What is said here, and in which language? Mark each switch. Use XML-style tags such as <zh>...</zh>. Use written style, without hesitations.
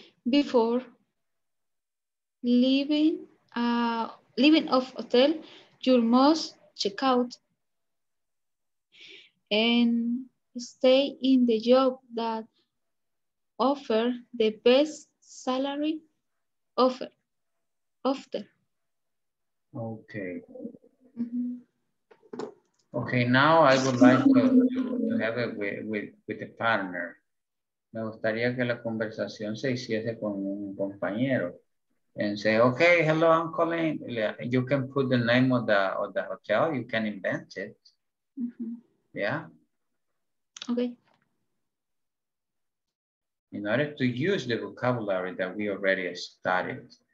<en>Before leaving of hotel, you must check out and stay in the job that offer the best salary offer after. Okay. Mm-hmm. Okay, now I would like to have it with a partner.</en> <es>Me gustaría que la conversación se hiciese con un compañero.</es> <en>And say, okay, hello, I'm calling. You can put the name of the hotel. You can invent it. Mm-hmm. Yeah. Okay. In order to use the vocabulary that we already studied.</en>